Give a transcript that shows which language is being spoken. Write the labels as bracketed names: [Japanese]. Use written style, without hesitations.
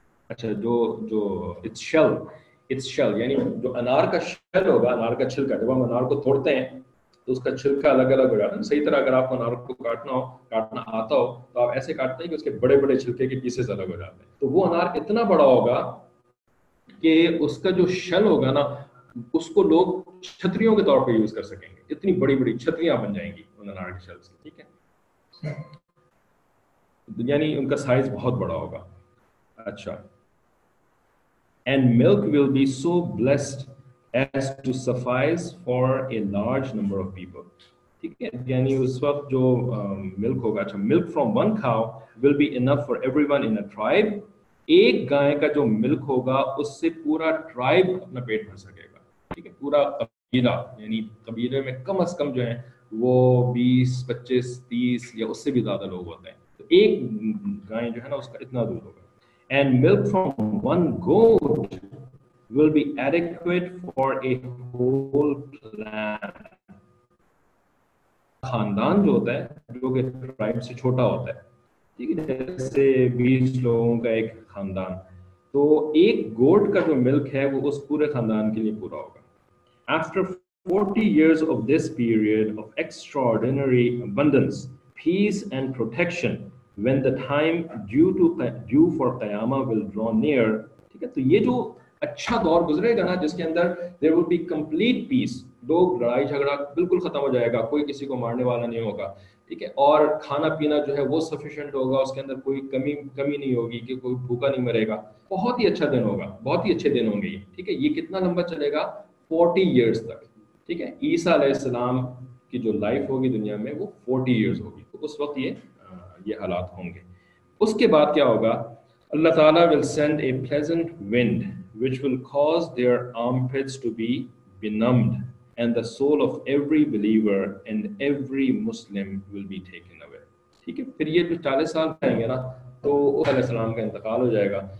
[Hindi] अच्छा, जो जो इट्स शैल यानी जो अनार का शैल होगा, अनार का छिलका, जब हम अनार को तोड़ते हैं तो उसका छिलका अलग अलग हो जाता है. सही तरह अगर आपको अनार को काटना हो, काटना आता हो, तो आप ऐसे काटते हैं कि उसके बड़े बड़े छिलके के पीसेस अलग हो जाते हैं. तो वो अनार इतना बड़ा होगा कि उसका जो शेल होगा ना, उसको लोग छतरियों के तौर पर यूज कर सकेंगे. इतनी बड़ी बड़ी छतरियां बन जाएंगी उन अनार के शेल से, ठीक है. यानी उनका साइज बहुत बड़ा होगा. [English] अच्छा, and milk will be so blessed as to suffice for a large number of people. [Hindi] ठीक है, यानी उस वक्त जो milk होगा, अच्छा, [English] milk from one cow will be enough for everyone in a tribe. [Hindi] एक गाय का जो milk होगा उससे पूरा tribe अपना पेट भर सकेगा, ठीक है. पूरा कबीला, यानी कबीले में कम से कम जो है वो 20, 25, 30 या उससे भी ज्यादा लोग होते हैं, तो एक गाय जो है ना उसका इतना दूध होगा. [English] And milk from one goat will be adequate for a whole clan. [Hindi] खानदान जो होता है, जो कि tribe से छोटा होता है, ठीक है, जैसे 20 लोगों का एक खानदान, तो एक goat का जो milk है वो उस पूरे खानदान के लिए पूरा होगा. [English] After 40 years of this period of extraordinary abundance, peace and protection, when the time due for qiyama will draw near, [Hindi] ठीक है, तो ये जो अच्छा दौर गुजरेगा ना, जिसके अंदर [English] there will be complete peace, [Hindi] लोग लड़ाई झगड़ा बिल्कुल खत्म हो जाएगा, कोई किसी को मारने वाला नहीं होगा, ठीक है, और खाना पीना जो है वो सफिशिएंट होगा, उसके अंदर कोई कमी नहीं होगी, कि कोई भूखा नहीं मरेगा. बहुत ही अच्छा दिन होगा, बहुत ही अच्छे दिन होंगे ये, ठीक है. ये कितना लंबा चलेगा, 40 years तक, ठीक है. ईसा अलैहिस्सलाम की जो लाइफ होगी दुनिया में वो 40 years होगी, तो उस वक्त ये हालात होंगे. उसके बाद क्या होगा, [English] Allah Taala will send a pleasant wind which will cause their armpits to be benumbed and the soul of every believer and every Muslim will be taken away. [Hindi] ठीक है, फिर ये जो 40 साल रहेंगे ना, तो ईसा अलैहि सलाम का इंतकाल हो जाएगा.